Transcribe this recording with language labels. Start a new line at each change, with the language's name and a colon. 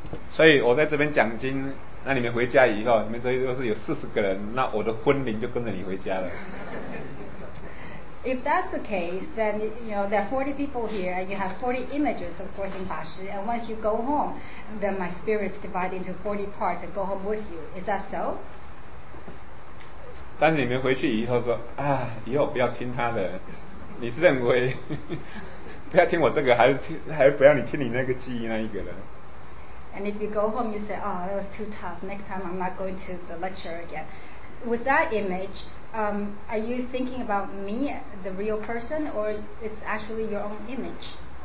Chinese: 所以我在这边讲经，那你们回家以后，你们这又是有四十个人，那我的魂灵就跟着你回家了。
English: If that's the case, then you know there are 40 people here, and you have 40 images of Guo Xing Fa Shi. And once you go home, then my spirits divide into 40 parts and go home with you. Is that so?
Chinese: 但是你们回去以后说啊，以后不要听他的。你是认为不要听我这个，还是不要你听你那个记忆那一个的？
English: And if you go home, you say, "Oh, that was too tough. Next time, I'm not going to the lecture again." With that image, are you thinking about me, the real person, or it's actually your own image?